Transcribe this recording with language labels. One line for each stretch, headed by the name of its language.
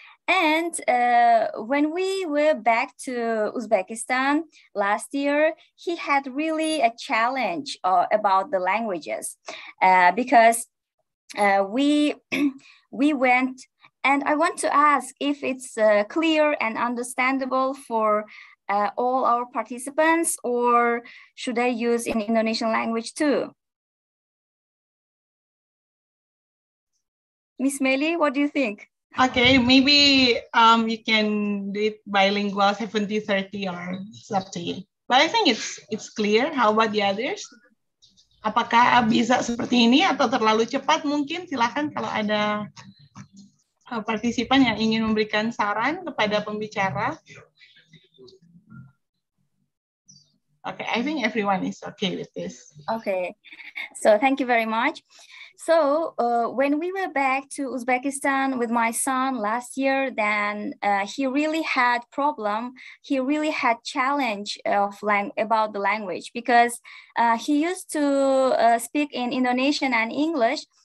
English: And when we were back to Uzbekistan last year, he had really a challenge about the languages because we went, and I want to ask if it's clear and understandable for all our participants, or should I use in Indonesian language too? Miss Meli, what do you think? Okay, maybe you can do it bilingual 70-30, or it's up to you. But I think it's clear. How about the others?
Indonesian: Apakah bisa seperti ini atau terlalu cepat mungkin? Silakan kalau ada partisipan yang ingin memberikan saran kepada pembicara.
English: Okay, I think everyone is okay with this. Okay, so thank you very much. So when we were back to Uzbekistan with my son last year, then he really had problem. He really had challenge of about the language because he used to speak in Indonesian and English.